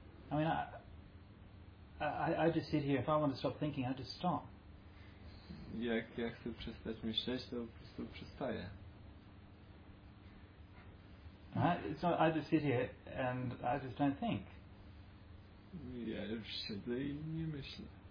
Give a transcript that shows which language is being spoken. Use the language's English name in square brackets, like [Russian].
[English] I mean, I just sit here, if I want to stop thinking, I just stop. [Polish] Jak ja chcę przestać myśleć, to po prostu przestaję. [English] So I just sit here and I just don't think. [Polish] Ja już siedzę i nie myślę.